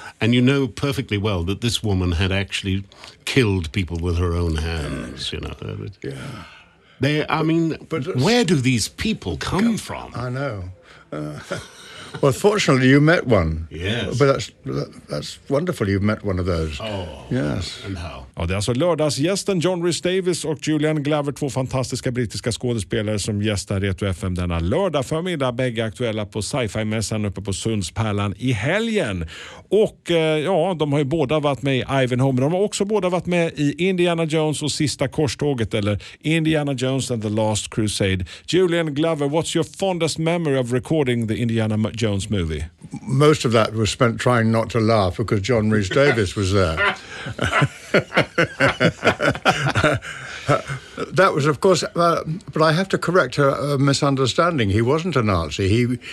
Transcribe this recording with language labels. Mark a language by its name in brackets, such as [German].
[English] And you know perfectly well that this woman had actually killed people with her own hands, you know. Yeah. Where do these people come from? I know. Well, fortunately, you met one. Yes. But that's wonderful you've met one of those. Oh, yes. And how? [Swedish] Ja, det är alltså lördagsgästen John Rhys-Davies och Julian Glover, två fantastiska brittiska skådespelare som gästar Retro FM denna lördag förmiddag. Bägge aktuella på sci-fi-mässan uppe på Sundspärlan i helgen. Och ja, de har ju båda varit med i Ivanhoe, men de har också båda varit med i Indiana Jones och Sista Korståget, eller Indiana Jones and the Last Crusade. [English] Julian Glover, what's your fondest memory of recording the Indiana Jones movie? Most of that was spent trying not to laugh because John Rhys-Davies was there. That was, of course, but I have to correct a misunderstanding. He wasn't a Nazi.